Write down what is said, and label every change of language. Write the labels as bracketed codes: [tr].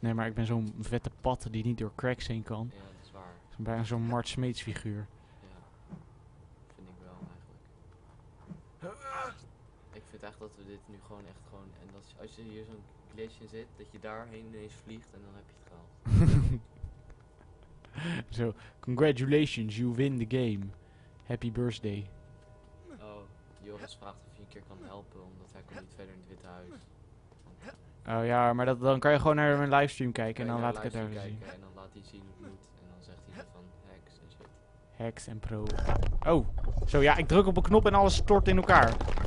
[nl] Nee, maar ik ben zo'n vette pad die niet door cracks heen kan. Ja, dat is waar. Ik ben bijna zo'n Mart Smeets figuur. Ja. Vind ik wel, eigenlijk. Ik vind eigenlijk dat we dit nu gewoon echt gewoon... En dat als je hier zo'n glitch in zit, dat je daarheen ineens vliegt en dan heb je het gehaald. [en] Zo, so, congratulations, you win the game. Happy birthday. [nl] Oh, Joris vraagt of je een keer kan helpen, omdat hij kan niet verder in het Witte Huis. Oh ja, maar dat, dan kan je gewoon naar mijn livestream kijken en dan laat ik het daar zien. En dan laat hij zien hoe het moet en dan zegt hij van hacks en shit. Hacks en pro. Oh, zo ja, ik druk op een knop en alles stort in elkaar.